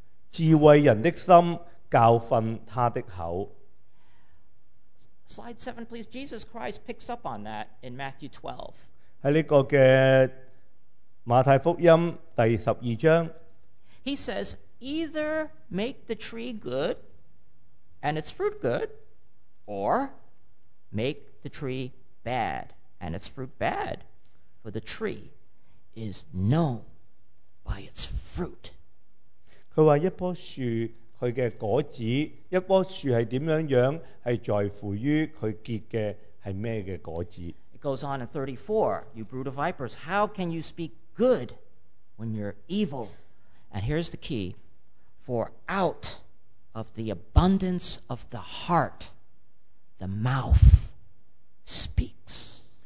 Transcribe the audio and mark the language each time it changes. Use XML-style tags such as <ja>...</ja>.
<zh>智慧人的心教训他的口。</zh> <en>Slide 7, please. Jesus Christ picks up on that in Matthew 12.</en> <zh>在这个的马太福音第十二章</zh> <en>He says, either make the tree good and its fruit good, or make the tree bad and its fruit bad, for the tree is known by its fruit.</en> <zh>他说一棵树它的果子,一棵树是怎样样,是在乎于它结的是什么果子。</zh> <en>It goes on in 34, you brood of vipers, how can you speak good when you're evil? And here's the key, for out of the abundance of the heart, the mouth speaks.</en>